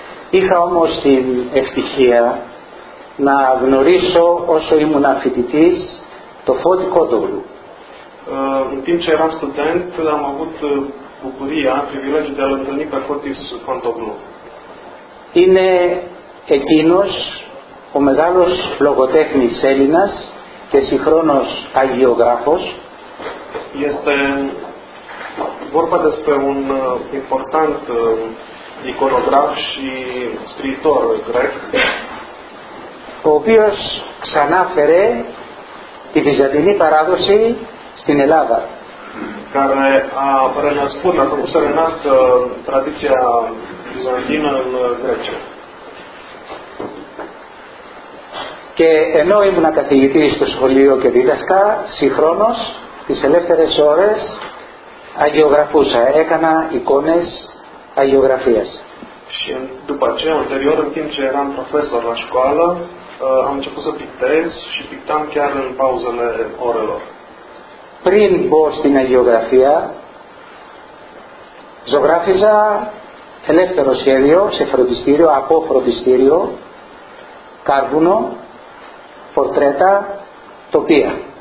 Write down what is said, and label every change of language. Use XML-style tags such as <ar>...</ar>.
<el>Είχα όμως την ευτυχία να γνωρίσω όσο ήμουν φοιτητής το Φώτη Κότογλου.</el> <ro>În timp ce eram student am avut bucuria, privilegiul de a-l întâlni pe Φώτη Κότογλου.</ro> <el>Είναι εκείνος ο μεγάλος λογοτέχνης Έλληνας και συγχρόνως αγιογράφος.</el> <ro>Este vorba despre un important iconograf și scriitor grec,</ro> <el>ο οποίος ξανάφερε τη βυζαντινή παράδοση στην Ελλάδα.</el> <ro>Care a renăscut, a făcut să renască tradiția bizantină în Grecia.</ro> <el>Και ενώ ήμουν καθηγητής στο σχολείο και δίδασκα, συγχρόνως, τις ελεύθερες ώρες, αγιογραφούσα, έκανα εικόνες αγιογραφίας.</el> <ro>Și după aceea, ulterior, în timp ce eram profesor la școală, am început să pictez și pictam chiar în pauzele orelor.</ro> <el>Πριν μπω στην αγιογραφία, ζωγράφιζα ελεύθερο σχέδιο σε φροντιστήριο, από φροντιστήριο, κάρβουνο, πορτρέτα, τοπία.</el>